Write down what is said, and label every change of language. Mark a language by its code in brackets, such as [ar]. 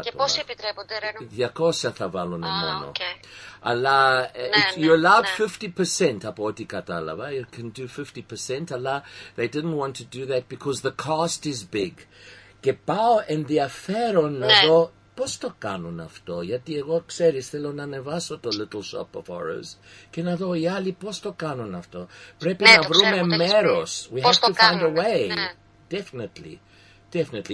[el] Και πόσοι επιτρέπονται, Ρένο? 200 θα βάλουν μόνο. [en] Okay. [el] Αλλά [en] you're allowed 50% [el] από ό,τι κατάλαβα. [en] You can do 50%, [el] αλλά [en] they didn't want to do that because the cost is big. [el] Και πάω ενδιαφέρον να δω πώς το κάνουν αυτό. Γιατί εγώ, ξέρεις, θέλω να ανεβάσω το Little Shop of Horrors και να δω οι άλλοι πώς το κάνουν αυτό. Πρέπει να βρούμε μέρος. [en] We have to find a way. Definitely. Definitely.